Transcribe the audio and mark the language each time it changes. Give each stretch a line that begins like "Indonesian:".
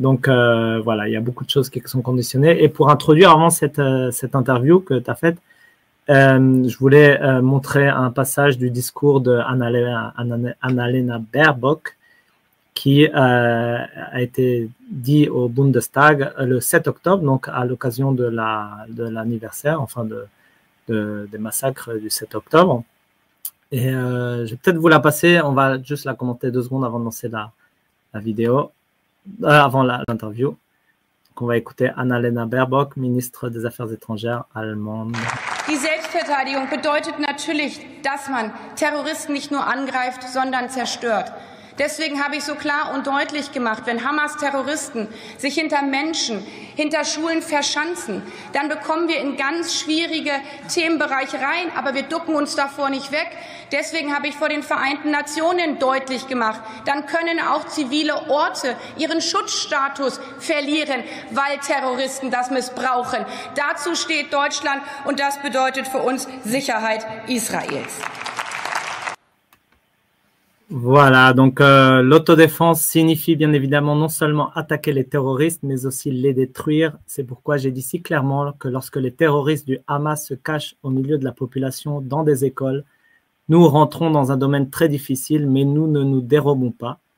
French: Donc voilà, il y a beaucoup de choses qui sont conditionnées. Et pour introduire avant cette interview que tu as faite, je voulais montrer un passage du discours de Annalena Baerbock qui a été dit au Bundestag le 7 octobre, donc à l'occasion de l'anniversaire, enfin des massacres du 7 octobre. Et je vais peut-être vous la passer, on va juste la commenter 2 secondes avant de lancer la vidéo. Avant l'interview, qu'on va écouter Annalena Baerbock, ministre des Affaires étrangères allemande.
German: Die Selbstverteidigung bedeutet natürlich, dass man Terroristen nicht nur angreift, sondern zerstört. Deswegen habe ich so klar und deutlich gemacht, wenn Hamas-Terroristen sich hinter Menschen, hinter Schulen verschanzen, dann bekommen wir in ganz schwierige Themenbereiche rein, aber wir ducken uns davor nicht weg. Deswegen habe ich vor den Vereinten Nationen deutlich gemacht, dann können auch zivile Orte ihren Schutzstatus verlieren, weil Terroristen das missbrauchen. Dazu steht Deutschland und das bedeutet für uns Sicherheit Israels.
French: Voilà, donc l'autodéfense signifie bien évidemment non seulement attaquer les terroristes, mais aussi les détruire. C'est pourquoi j'ai dit si clairement que lorsque les terroristes du Hamas se cachent au milieu de la population, dans des écoles, nous rentrons dans un domaine très difficile, mais nous ne nous dérobons pas.